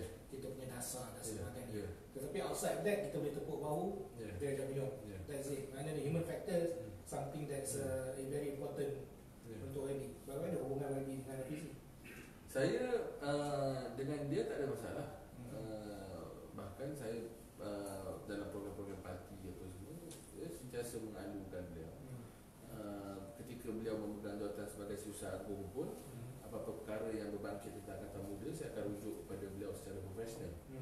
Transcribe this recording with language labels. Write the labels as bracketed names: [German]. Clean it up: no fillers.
[Malay] Kita punya dasar dan sebagainya. Tetapi [English] outside that, [Malay] kita boleh tepuk bahu. Dia dah minum. [English] That's it. [Malay] Maksudnya, [English] the human factor something that's very important. [Malay] Untuk ini, bagaimana ada hubungan lagi dengan PC? Saya dengan dia tak ada masalah. Bahkan saya dalam program-program parti apa semua, saya sentiasa mengalukan beliau. Ketika beliau memegang jawatan sebagai siusaha agung pun, apa-apa perkara yang berbangkit tentang kata muda, saya akan rujuk kepada beliau secara profesional.